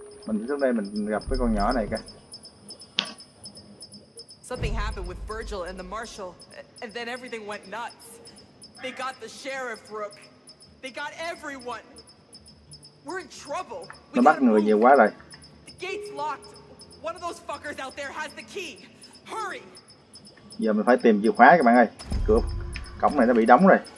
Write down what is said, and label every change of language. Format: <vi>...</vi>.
<vi>Mình sẽ xuống đây mình gặp cái con nhỏ này kìa.</vi> <en>Something happened with Virgil and the marshal, and then everything went nuts. They got the sheriff, Rook. They got everyone. We're in trouble.</en> <vi>Nó bắt người nhiều quá rồi.</vi> <en>The gate's locked. One of those fuckers out there has the key. Hurry.</en> <vi>Giờ mình phải tìm chìa khóa các bạn ơi. Cửa cổng này nó bị đóng rồi.</vi>